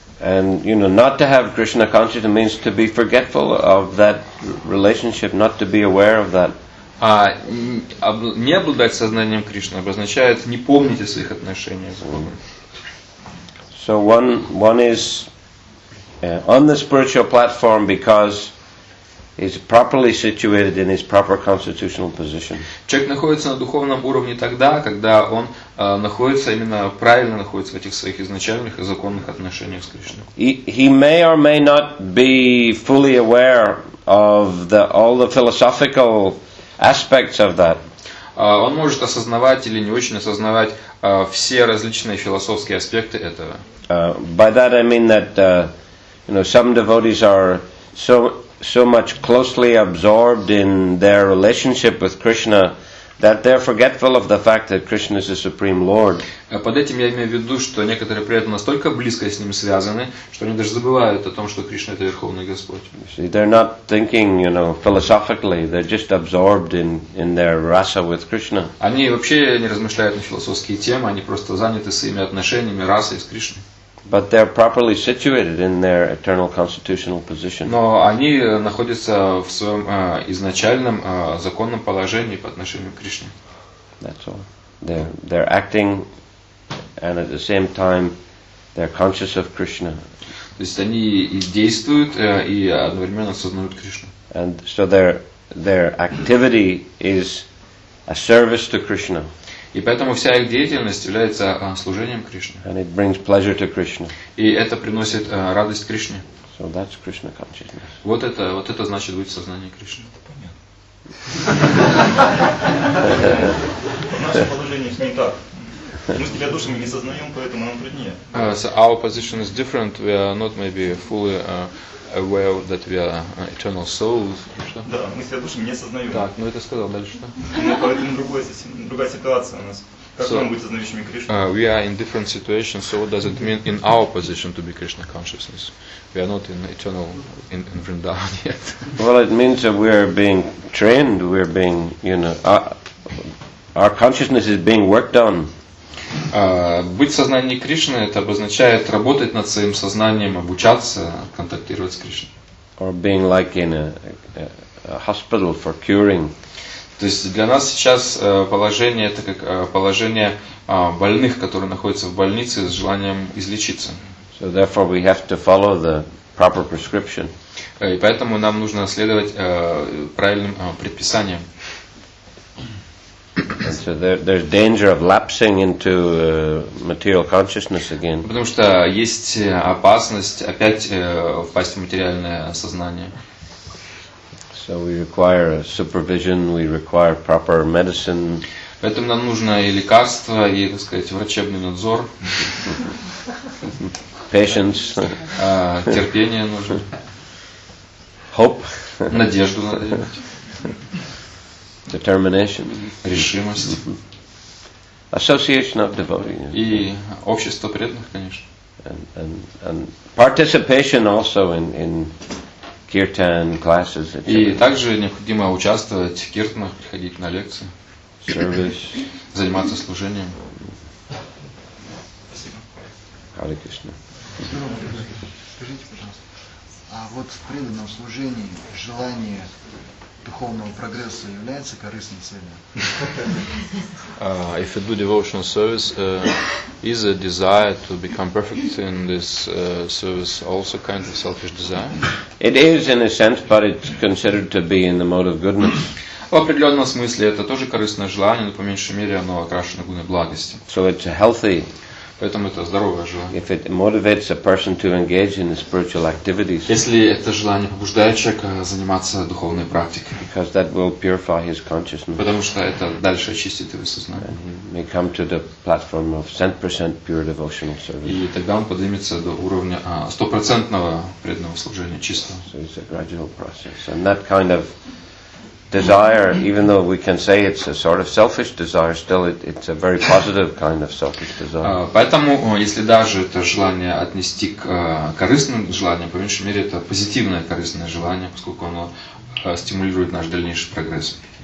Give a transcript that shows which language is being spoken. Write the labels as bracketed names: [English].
[English] And, you know, not to have Krishna consciousness means to be forgetful of that relationship, not to be aware of that. [Russian] А не обладать сознанием Кришны обозначает не помнить о своих отношениях с Богом. [English] So one is on the spiritual platform because is properly situated in his proper constitutional position. [Russian] Человек находится на духовном уровне тогда, когда он находится именно правильно находится в этих своих изначальных и законных отношениях с Кришной. [English] He may or may not be fully aware of all the philosophical aspects of that. [Russian] Он может осознавать или не очень осознавать все различные философские аспекты этого. [English] By that I mean that you know, some devotees are so much closely absorbed in their relationship with Krishna that they're forgetful of the fact that Krishna is the Supreme Lord. [Russian] Под этим я имею в виду, что некоторые преданные настолько близко с ним связаны, что они даже забывают о том, что Кришна это Верховный Господь. [English] See, they're not thinking, you know, philosophically, they're just absorbed in their rasa with Krishna. [Russian] Они вообще не размышляют на философские темы, они просто заняты своими отношениями, расой с Кришной. [English] But they're properly situated in their eternal constitutional position. Но они находятся в своем изначальном законном положении по отношению к Кришне. That's all. They're acting, and at the same time, they're conscious of Krishna. [Russian] То есть они и действуют и одновременно осознают Кришну. [English] And so their activity is a service to Krishna. [Russian] И поэтому вся их деятельность является служением Кришне. [English] And it brings pleasure to Krishna. [Russian] И это приносит радость Кришне. [English] So that's Krishna consciousness. [Russian] Вот это значит быть в сознании Кришны. Понятно. Наше положение с ним так. Мы себя душами не сознаем, поэтому нам труднее. [English] So our position is different. We are not maybe fully aware that we are eternal souls. [Russian] Да, мы себя душами не сознаем. Так, ну это сказал дальше, что? Ну, поэтому другая ситуация у нас. [English] So, we are in different situations, so what does it mean in our position to be Krishna consciousness? We are not in eternal, in Vrindavan yet. Well, it means that we are being trained, we are being, you know, our consciousness is being worked on. [Russian] Быть в сознании Кришны, это обозначает работать над своим сознанием, обучаться, контактировать с Кришной. [English] Or being like in a hospital for curing. [Russian] То есть для нас сейчас положение, это как положение больных, которые находятся в больнице с желанием излечиться. [English] So therefore we have to follow the proper prescription. [Russian] И поэтому нам нужно следовать правильным предписаниям. [English] And so there's danger of lapsing into material consciousness again. [Russian] Потому что есть опасность опять впасть в материальное сознание. [English] So we require supervision, we require proper medicine. [Russian] Поэтому нам нужно и лекарство, и, так сказать, врачебный надзор. [English] Patience. [Russian] Терпение нужно. [English] Hope. [Russian] Надежду надо иметь. [English] Determination. [Russian] Решимость. [English] Association of devotees. [Russian] И общество преданных, конечно. [English] And participation also in kirtan classes. [Russian] И также необходимо участвовать в киртанах, приходить на лекции. [English] Service. [Russian] Заниматься служением. Спасибо. [Sanskrit] Hare Krishna. [Russian] Скажите, пожалуйста, а вот в преданном служении желание духовного прогресса является корыстной целью? [English] If you do devotional service, is a desire to become perfect in this service also kind of selfish desire? It is in a sense, but it's considered to be in the mode of goodness. [Russian] В определенном смысле это тоже корыстное желание, но по меньшей мере оно окрашено гуной благости. [English] So it's a healthy. [Russian] Поэтому это здоровое желание. [English] If it motivates a person to engage in spiritual activities. [Russian] Если это желание побуждает человека заниматься духовной практикой. [English] Because that will purify his consciousness. [Russian] Потому что это дальше очистит его сознание. [English] And he may come to the platform of 100% pure devotional service. [Russian] И тогда он поднимется до уровня 100% преданного служения чистого. [English] So it's a gradual process. And that kind of desire, even though we can say it's a sort of selfish desire, still it's a very positive kind of selfish desire. [Russian] Поэтому, если даже это желание отнести к корыстным желаниям, по меньшей мере это позитивное корыстное желание, поскольку оно стимулирует наш дальнейший прогресс.